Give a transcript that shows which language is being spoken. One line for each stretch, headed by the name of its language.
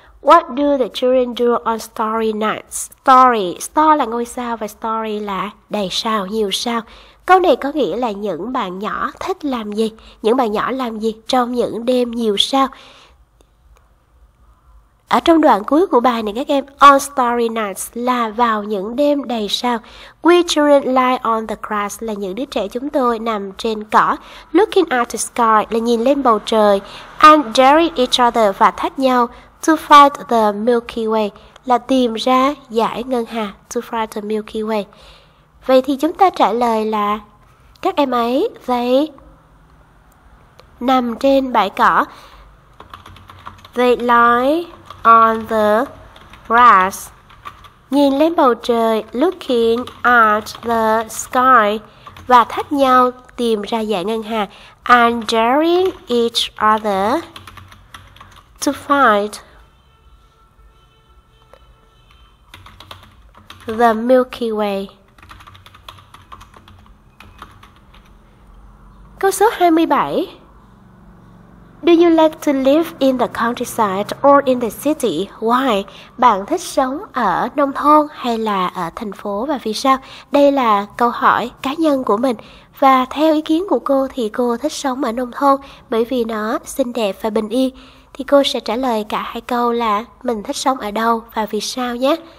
English: What do the children do on starry nights?
Vietnamese: Starry, star là ngôi sao và starry là đầy sao, nhiều sao. Câu này có nghĩa là những bạn nhỏ thích làm gì? Những bạn nhỏ làm gì trong những đêm nhiều sao? Ở trong đoạn cuối của bài này các em,
English: on starry nights
Vietnamese: là vào những đêm đầy sao.
English: We children lie on the grass
Vietnamese: là những đứa trẻ chúng tôi nằm trên cỏ.
English: Looking at the sky
Vietnamese: là nhìn lên bầu trời.
English: And daring each other
Vietnamese: và thách nhau.
English: To find the Milky Way
Vietnamese: là tìm ra dải ngân hà.
English: To find the Milky Way.
Vietnamese: Vậy thì chúng ta trả lời là các em ấy they nằm trên bãi cỏ.
English: They lie on the grass.
Vietnamese: Nhìn lên bầu trời,
English: looking at the sky,
Vietnamese: và thách nhau tìm ra dải ngân hà.
English: And daring each other to find the Milky Way.
Vietnamese: Câu số 27.
English: Do you like to live in the countryside or in the city? Why?
Vietnamese: Bạn thích sống ở nông thôn hay là ở thành phố và vì sao? Đây là câu hỏi cá nhân của mình. Và theo ý kiến của cô thì cô thích sống ở nông thôn bởi vì nó xinh đẹp và bình yên. Thì cô sẽ trả lời cả hai câu là mình thích sống ở đâu và vì sao nhé.